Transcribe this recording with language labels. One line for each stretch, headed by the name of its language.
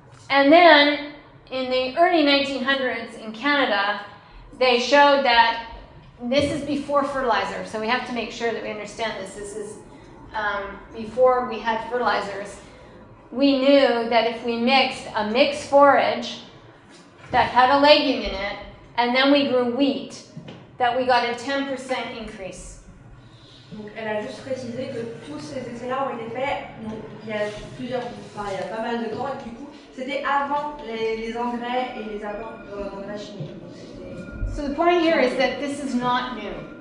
English: And then in the early 1900s in Canada, they showed that, this is before fertilizer, so we have to make sure that we understand this. This is before we had fertilizers. We knew that if we mixed a mixed forage that had a legume in it, and then we grew wheat, that we got a 10% increase.
French: Donc elle a juste précisé que tous ces essais-là ont été faits il y a pas mal de temps, et du coup, c'était avant les engrais et les apports d'engrais chimiques.
English: So the point here is that this is not new.